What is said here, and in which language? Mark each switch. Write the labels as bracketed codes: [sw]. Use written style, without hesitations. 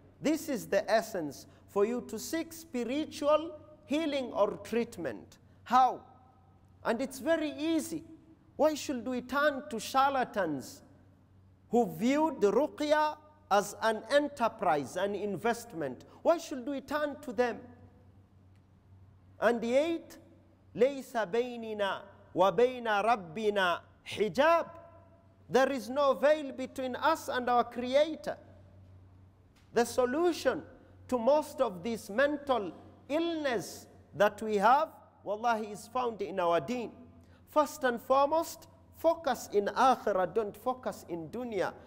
[en] This is the essence for you to seek spiritual healing or treatment. How? And it's very easy. Why should we turn to charlatans who viewed ruqya as an enterprise, an investment? Why should we turn to them? And the 8, [ar] لَيْسَ بَيْنِنَا وَبَيْنَ رَبِّنَا حِجَاب. [en] There is no veil between us and our Creator. The solution to most of this mental illness that we have, wallahi, is found in our deen. First and foremost, focus in akhirah, don't focus in dunya.